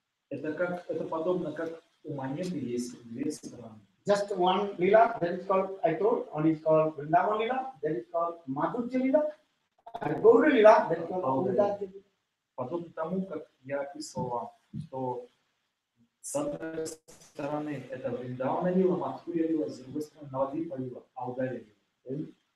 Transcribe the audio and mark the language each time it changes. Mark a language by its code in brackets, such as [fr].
[ru] Это подобно, как у монеты есть две стороны. [en] Just one Lila, then it's called, I told, one is called Vrindavan Lila, then it's called Madhurya Lila, and Gaura Lila, then it's called Udarya Lila. [ru] Подобно тому, как я описывал вам, что с одной стороны это Вриндавана Лила, Мадхурья Лила, с другой стороны Навадвипа Лила, а Удари Лила.